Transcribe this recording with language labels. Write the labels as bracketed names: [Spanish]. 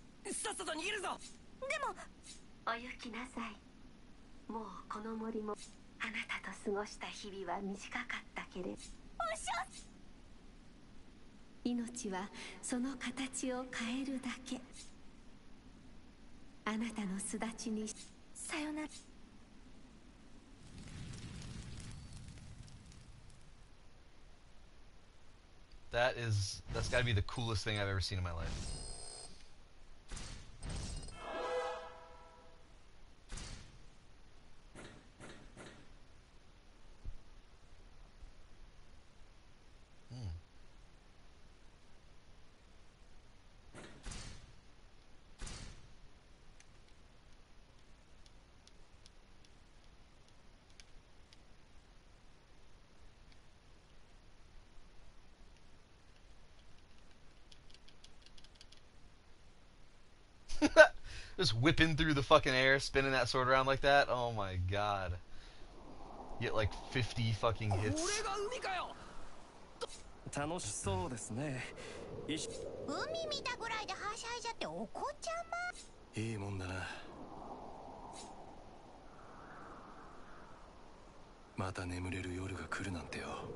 [Japanese] さっさと逃げるぞ。でもお行きなさい。もうこの森もあなたと過ごした日々は短かったけれど。おっしゃ。 [English] That's gotta be the coolest thing I've ever seen in my life. Just whipping through the fucking air, spinning that sword around like that. Oh my god. Get like 50 fucking hits. [Japanese] 楽しそうですね。海見たぐらいではしゃいじゃっておこちゃま。いいもんだな。また眠れる夜が来るなんてよ。